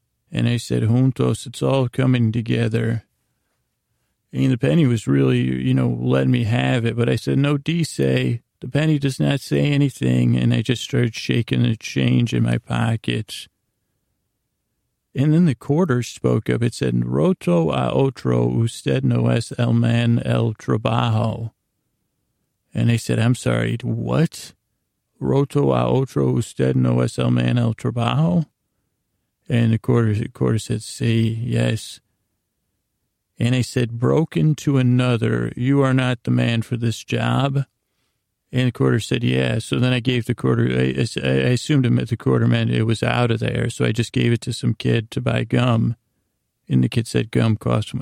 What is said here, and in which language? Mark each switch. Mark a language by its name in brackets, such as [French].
[English] And I said, juntos, it's all coming together. And the penny was really, you know, letting me have it. But I said, no, dice. The penny does not say anything. And I just started shaking the change in my pocket. And then the quarter spoke up. It said, [Spanish] roto a otro, usted no es el man el trabajo. [English] And I said, I'm sorry, what? [Spanish] Roto a otro, usted no es el man el trabajo? [English] And the quarter said, si, yes. And I said, broken to another, you are not the man for this job. And the quarter said, yeah. So then I gave the quarter, I assumed it meant the quarter meant it was out of there. So I just gave it to some kid to buy gum. And the kid said, gum cost him.